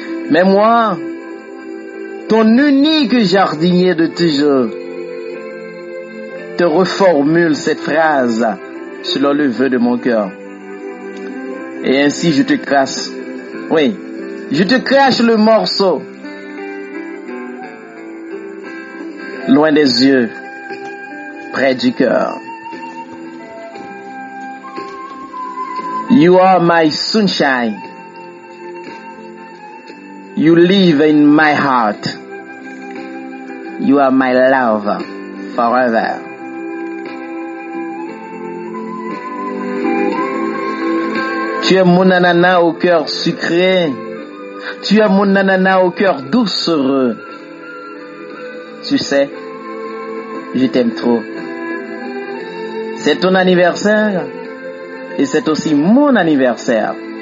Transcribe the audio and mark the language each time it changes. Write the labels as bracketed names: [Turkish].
[French] Mais moi, ton unique jardinier de toujours, te reformule cette phrase selon le vœu de mon cœur. Et ainsi je te crache, oui, je te crache le morceau, loin des yeux, près du cœur. [English] You are my sunshine, you live in my heart, you are my love forever. [French] Tu es mon ananas au cœur sucré. Tu es mon ananas au cœur doucereux. Tu sais, je t'aime trop. C'est ton anniversaire et c'est aussi mon anniversaire.